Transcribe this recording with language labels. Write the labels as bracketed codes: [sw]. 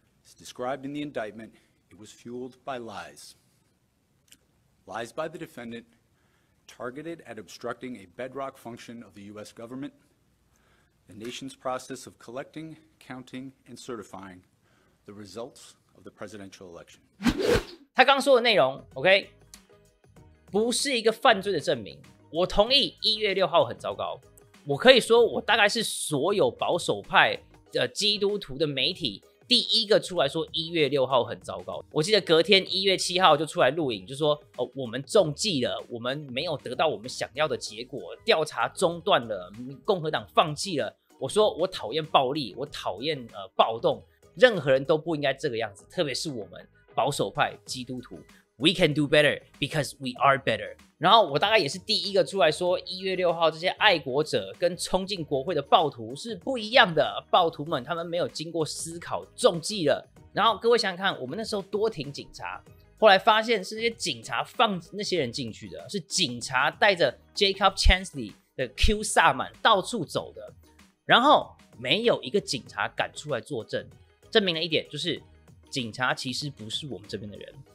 [en] As described in the indictment, it was fueled by lies. Lies by the defendant targeted at obstructing a bedrock function of the U.S. government, the nation's process of collecting, counting, and certifying the results of the presidential election. [zh] 他刚说的内容 ，OK， 不是一个犯罪的证明。我同意一月六号很糟糕。我可以说，我大概是所有保守派的基督徒的媒体第一个出来说一月六号很糟糕。我记得隔天一月七号就出来录影，就说哦，我们中计了，我们没有得到我们想要的结果，调查中断了，共和党放弃了。我说我讨厌暴力，我讨厌暴动，任何人都不应该这个样子，特别是我们。保守派基督徒 [en] We can do better because we are better。 [zh] 然后我大概也是第一个出来说1月6号这些爱国者跟冲进国会的暴徒是不一样的，暴徒们他们没有经过思考中计了。然后各位想想看，我们那时候多挺警察，后来发现是那些警察放那些人进去的，是警察带着 Jacob Chansley 的 Q 萨满到处走的，然后没有一个警察敢出来作证，证明了一点，就是警察其实不是我们这边的人。